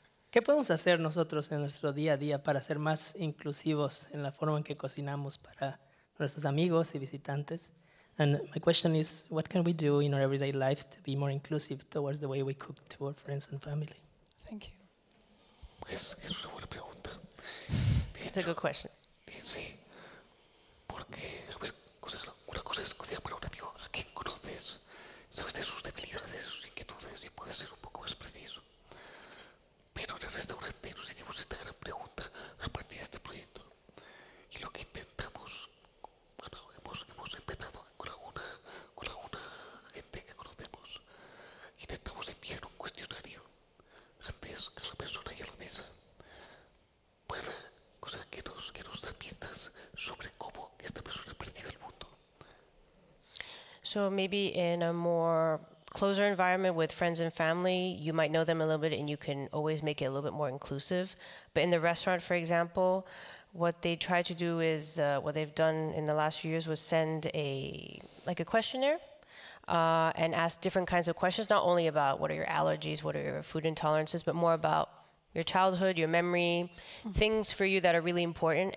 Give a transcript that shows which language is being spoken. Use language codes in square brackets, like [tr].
[es] ¿Qué podemos hacer nosotros en nuestro día a día para ser más inclusivos en la forma en que cocinamos para nuestros amigos y visitantes? [en] And my question is, what can we do in our everyday life to be more inclusive towards the way we cook to our friends and family? Thank you. [es] Pues, es una buena pregunta. [en] It's a good question. [es] Sí. Porque, a ver, una cosa es cocinar para un amigo a quien conoces, sabes de sus debilidades, sus inquietudes, y puedes ser un poco más preciso. Pero en el restaurante nos hicimos esta gran pregunta a partir de este proyecto. Y lo que intentamos, bueno, hemos empezado con alguna gente que conocemos. Intentamos enviar un cuestionario antes a la persona y a la mesa para que nos da pistas sobre cómo esta persona percibe el mundo. [en] So maybe in a more closer environment with friends and family, you might know them a little bit and you can always make it a little bit more inclusive. But in the restaurant, for example, what they try to do is, what they've done in the last few years was send a questionnaire and ask different kinds of questions, not only about what are your allergies, what are your food intolerances, but more about your childhood, your memory, things for you that are really important.